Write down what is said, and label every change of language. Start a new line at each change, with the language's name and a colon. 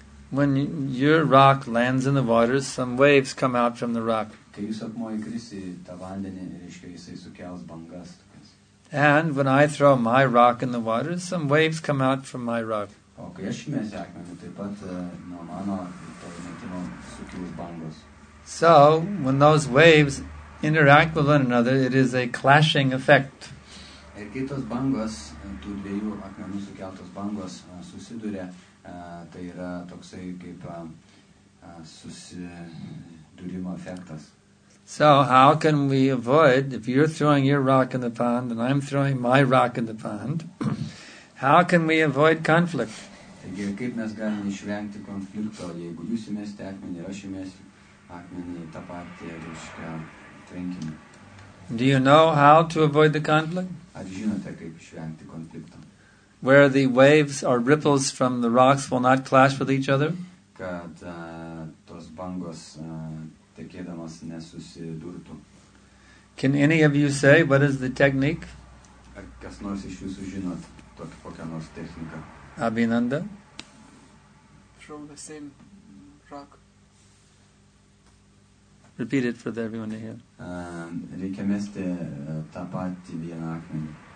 English: When your rock lands in the water, some waves come out from the rock.
Lithuanian: Kai jūs akmuo įkrisi tą vandenį, reiškia, jisai sukels bangas.
English: And when I throw my rock in the water, some waves come out from my rock.
Lithuanian: O kai aš įmesiu akmenį, taip pat nuo mano to metimo sukils bangos.
English: So, when those waves interact with one another, it is a clashing effect.
Lithuanian: Ir kitos bangos, tų dviejų akmenų sukeltos bangos susiduria, tai yra toksai kaip susidūrimo efektas.
English: So, how can we avoid, if you're throwing your rock in the pond and I'm throwing my rock in the pond, how can we avoid conflict?
Lithuanian: Taigi, kaip mes galime išvengti konflikto, jeigu jūs įmesite akmenį ir aš įmesiu akmenį į tą patį, reiškia, tvenkinį.
English: Do you know how to avoid the conflict?
Lithuanian: Ar žinote, kaip išvengti konflikto?
English: Where the waves or ripples from the rocks will not clash with each other?
Lithuanian: Kad tos bangos tekėdamos nesusidurtų.
English: Can any of you say what is the technique?
Lithuanian: Ar kas nors iš jūsų žinot tokį kokią nors techniką?
English: Abhinanda? From the same rock. Repeat it for everyone to hear.
Lithuanian: Reikia mesti tą patį vieną akmenį.